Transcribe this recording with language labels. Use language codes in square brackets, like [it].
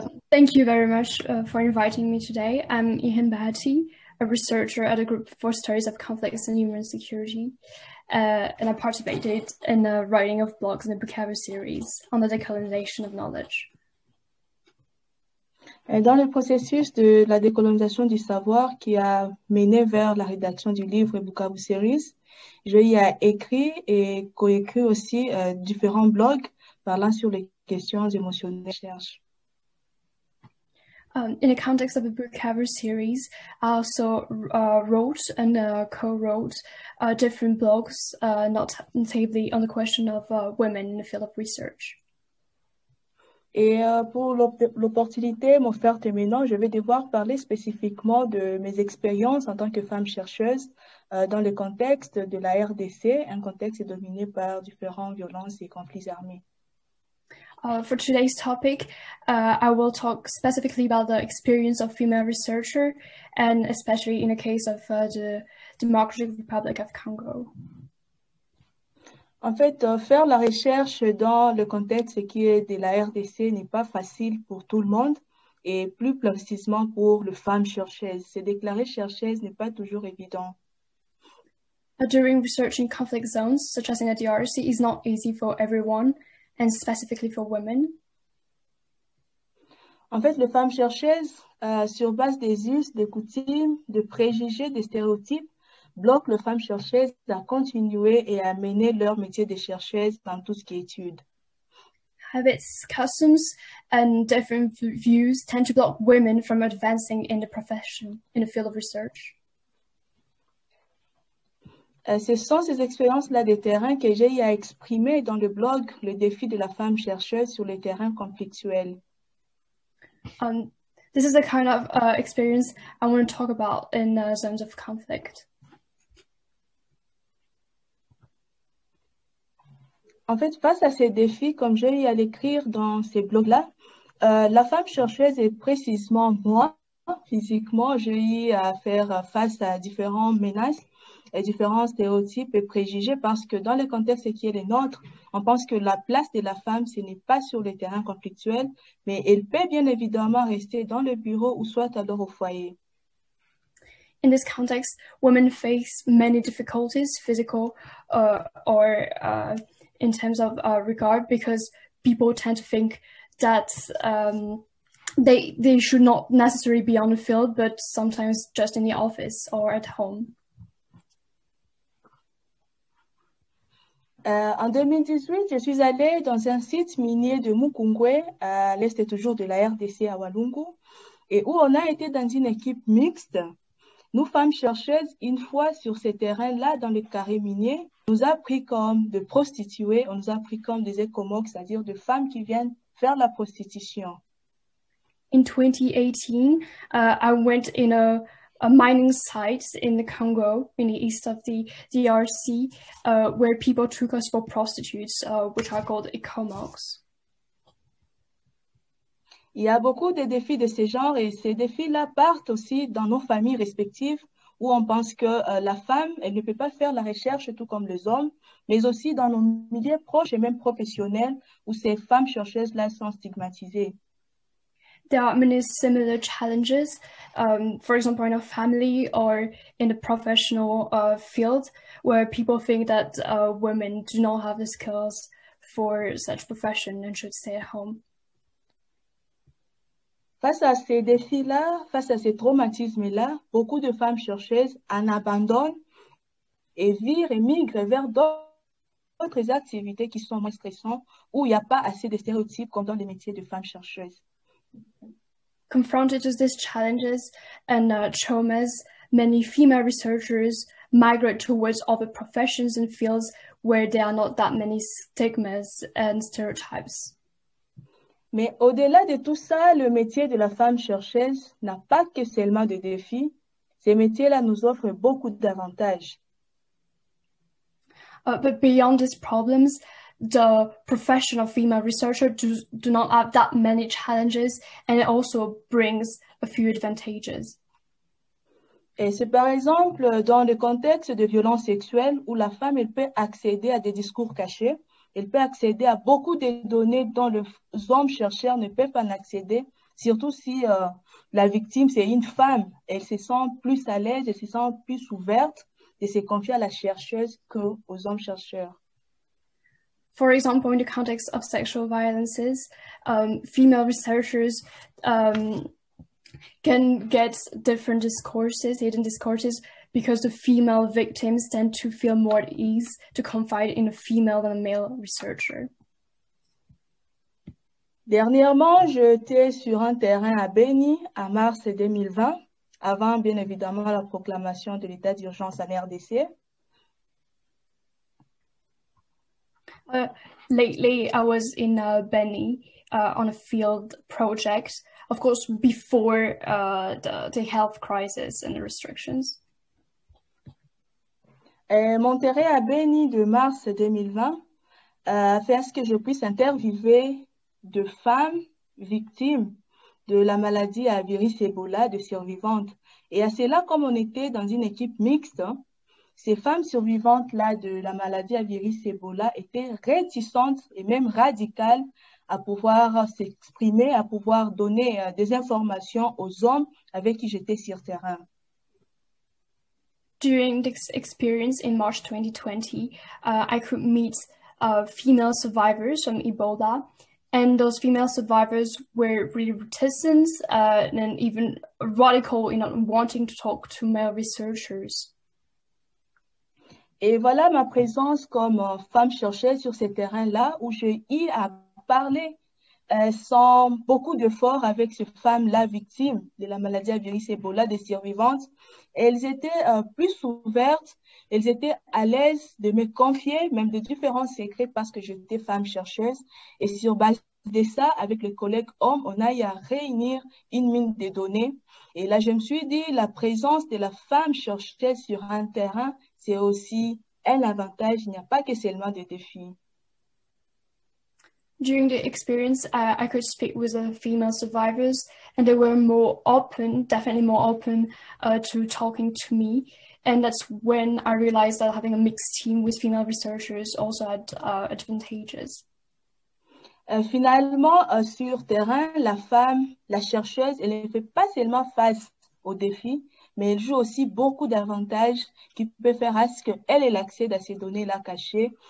[en] Thank you very much for inviting me today. I'm Irène Bahati, a researcher at a group for studies of conflicts and human security. And I participated in the writing of blogs in the Bukavu series on the decolonization of knowledge. [fr] Dans le processus de la décolonisation du savoir qui a mené vers la rédaction du livre Bukavu Series, j'ai écrit et coécrit aussi différents blogs parlant sur les questions émotionnelles de recherche. [en] In the context of the Bukavu series, I also wrote and co-wrote different blogs, not notably on the question of women in the field of research. [fr] Et pour l'opportunité m'offerte maintenant, je vais devoir parler spécifiquement de mes expériences en tant que femme chercheuse dans le contexte de la RDC, un contexte dominé par différentes violences et conflits armés. [en] For today's topic, I will talk specifically about the experience of female researcher and especially in the case of the Democratic Republic of Congo. [fr] En fait, faire la recherche dans le contexte qui est de la RDC n'est pas facile pour tout le monde et plus précisément pour les femmes chercheuses. Se déclarer chercheuse n'est pas toujours évident. [en] During research in conflict zones, such as in the DRC, is not easy for everyone. And specifically for women? [fr] En fait, les femmes chercheuses, sur base des us, des coutumes, des préjugés, des stéréotypes, bloquent les femmes chercheuses à continuer et à mener leur métier de chercheuse dans tout ce qui est études. [en] Habits, customs, and different views tend to block women from advancing in the profession, in the field of research. [fr] Ce sont ces expériences-là de terrain que j'ai exprimées dans le blog Le défi de la femme chercheuse sur les terrains conflictuels. [en] This is the kind of experience I want to talk about in zones of conflict. [fr] En fait, face à ces défis, comme j'ai à l'écrire dans ces blogs-là, la femme chercheuse est précisément moi. Physiquement, j'ai à faire face à différentes menaces et différents stéréotypes et préjugés parce que dans le contexte qui est le nôtre, on pense que la place de la femme, ce n'est pas sur le terrain conflictuel, mais elle peut bien évidemment rester dans le bureau ou soit alors au foyer. [en] In this context, women face many difficulties, physical or in terms of regard, because people tend to think that they should not necessarily be on the field, but sometimes just in the office or at home. [fr] En 2018, je suis allée dans un site minier de Mukungwe, à l'est toujours de la RDC à Walungu, et où on a été dans une équipe mixte. Nous, femmes chercheuses, une fois sur ces terrains-là, dans le carré minier, on nous a pris comme des prostituées, on nous a pris comme des ekomok, c'est-à-dire des femmes qui viennent faire la prostitution. [en] In 2018, I went in a mining site in the Congo, in the east of the DRC, where people took us for prostitutes, which are called ekomoks. [fr] Il y a beaucoup de défis de ce genre et ces défis-là partent aussi dans nos familles respectives où on pense que la femme, elle ne peut pas faire la recherche tout comme les hommes, mais aussi dans nos milieux proches et même professionnels où ces femmes chercheuses-là sont stigmatisées. [en] There are many similar challenges, for example, in a family or in the professional field where people think that women do not have the skills for such profession and should stay at home. [fr] Face à ces défis-là, face à ces traumatismes-là, beaucoup de femmes chercheuses en abandonnent et virent et migrent vers d'autres activités qui sont moins stressantes où il n'y a pas assez de stéréotypes comme dans les métiers de femmes chercheuses. [en] Confronted with these challenges and traumas, many female researchers migrate towards other professions and fields where there are not that many stigmas and stereotypes. [fr] Mais au-delà de tout ça, le métier de la femme chercheuse n'a pas que seulement des défis. Ce métier-là nous offre beaucoup d'avantages. [en] But beyond these problems, the profession of female researcher do not have that many challenges and it also brings a few advantages. [fr] Et c'est par exemple dans le contexte de violence sexuelle où la femme elle peut accéder à des discours cachés, elle peut accéder à beaucoup de données dont les hommes chercheurs ne peuvent pas accéder, surtout si la victime c'est une femme, elle se sent plus à l'aise, elle se sent plus ouverte de se confier à la chercheuse qu'aux hommes chercheurs. [en] For example, in the context of sexual violences, female researchers can get different discourses, hidden discourses, because the female victims tend to feel more at ease to confide in a female than a male researcher. [fr] Dernièrement, j'étais sur un terrain à Beni en mars 2020, avant bien évidemment la proclamation de l'état d'urgence en RDC. [en] Lately, I was in Beni on a field project, of course, before the health crisis and the restrictions. [fr] Mon terrain à Beni de mars 2020 fait à ce que je puisse interviewer de femmes victimes de la maladie à virus Ebola, de survivantes. Et à cela, comme on était dans une équipe mixte, ces femmes survivantes-là de la maladie à virus Ebola étaient réticentes et même radicales à pouvoir s'exprimer, à pouvoir donner des informations aux hommes avec qui j'étais sur terrain. [en] During this experience in March 2020, I could meet female survivors from Ebola, and those female survivors were really reticent and even radical in not wanting to talk to male researchers. [fr] Et voilà ma présence comme femme chercheuse sur ces terrains-là où j'ai eu à parler sans beaucoup d'efforts avec ces femmes-là victimes de la maladie à virus Ebola, des survivantes. Elles étaient plus ouvertes, elles étaient à l'aise de me confier même de différents secrets parce que j'étais femme chercheuse. Et sur base de ça, avec les collègues hommes, on a eu à réunir une mine de données. Et là, je me suis dit, la présence de la femme chercheuse sur un terrain, c'est aussi un avantage, il n'y a pas que seulement des défis. [en] During the experience, I could speak with the female survivors and they were more open, definitely more open to talking to me. And that's when I realized that having a mixed team with female researchers also had advantages. [fr] Finalement, sur terrain, la femme, la chercheuse, elle ne fait pas seulement face aux défis, mais elle joue aussi beaucoup d'avantages qui peuvent faire à ce qu'elle ait l'accès à ces données-là cachées.